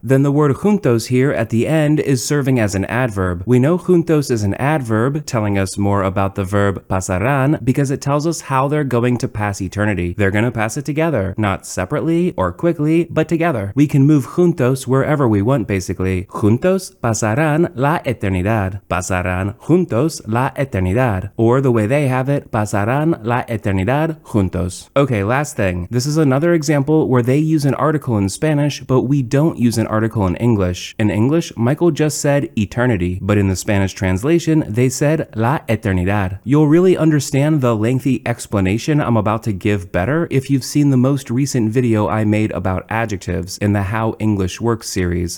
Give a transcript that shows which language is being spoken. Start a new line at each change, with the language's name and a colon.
English: Then the word juntos here at the end is serving as an adverb. We know juntos is an adverb, telling us more about the verb pasarán, because it tells us how they're going to pass eternity. They're going to pass it together, not separately or quickly, but together. We can move juntos wherever we want, basically.
Spanish: Juntos pasarán la eternidad. Pasarán juntos la eternidad.
English: Or the way they have it,
Spanish: pasarán la eternidad juntos.
English: Okay, last thing. This is another example where they use an article in Spanish, but we don't use an article in English. In English, Michael just said eternity, but in the Spanish translation, they said la eternidad. You'll really understand the lengthy explanation I'm about to give better if you've seen the most recent video I made about adjectives in the How English Works series.